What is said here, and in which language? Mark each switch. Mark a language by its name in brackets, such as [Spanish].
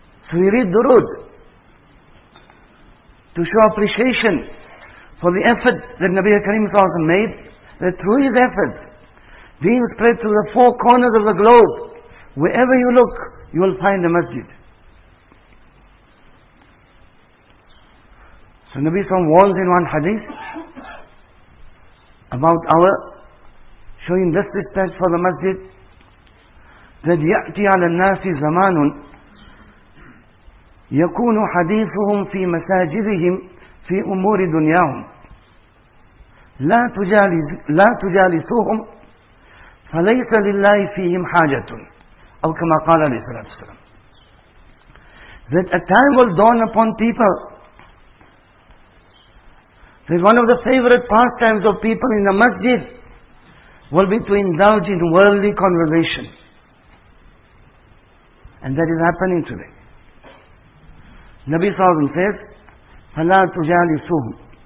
[English] So we read durood to show appreciation for the effort that Nabi Kareem sallallahu alayhi wa sallam made, that through his efforts, deen spread to the four corners of the globe. Wherever you look, you will find a masjid. So Nabi Sallam warns in one hadith about our showing less respect for the masjid, that [Arabic] يَأْتِي عَلَى النَّاسِ زَمَانٌ يَكُونُ حَدِيثُهُمْ فِي مَسَاجِدِهِمْ فِي أُمُورِ دُنْيَاهُمْ لَا تُجَالِسُهُمْ فَلَيْسَ لِلَّهِ فِيهِمْ حَاجَةٌ أو كما قال عليه الصلاة والسلام. [English] That a time will dawn upon people. That one of the favorite pastimes of people in the masjid will be to indulge in worldly conversation. And that is happening today. Nabi Sallallahu Alaihi Wasallam says, [Arabic] فَلَا تُجَالِسُهُمْ.